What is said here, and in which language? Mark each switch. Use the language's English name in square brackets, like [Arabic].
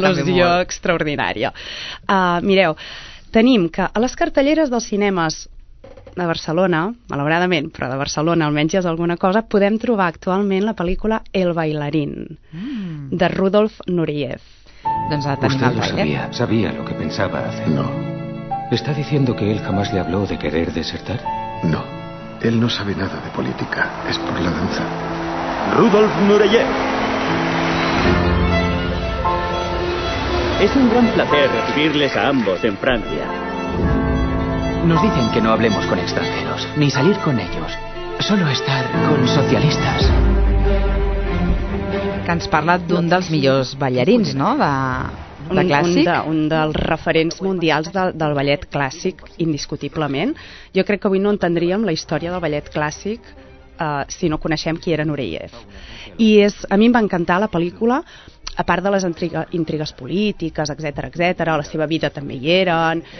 [Catalan] també molt. Em fa una il·lusió extraordinària. Mireu, tenim que a les cartelleres dels cinemes de Barcelona, malauradament, però de Barcelona almenys hi és alguna cosa, podem trobar actualment la pel·lícula El bailarín de Rudolf Nureyev. Doncs ha de tenir el [Spanish] baile. Sabía lo que pensaba hacer. No. ¿Está diciendo que él jamás le habló de querer desertar? No. Él no sabe nada de política. Es por la danza. Rudolf Nureyev. Es un gran placer recibirles a ambos en Francia. Nos dicen que no hablemos con extranjeros, ni salir con ellos, solo estar con socialistas. [Catalan] Que ens parla d'un dels millors ballarins, no? De clàssic. Un dels referents mundials del ballet clàssic, indiscutiblement. Jo crec que avui no entendríem la història del ballet clàssic si no coneixem qui era Nureyev. I és, a mi em va encantar la pel·lícula. A part de les intrigues polítiques, etcètera, etcètera, la seva vida també hi eren.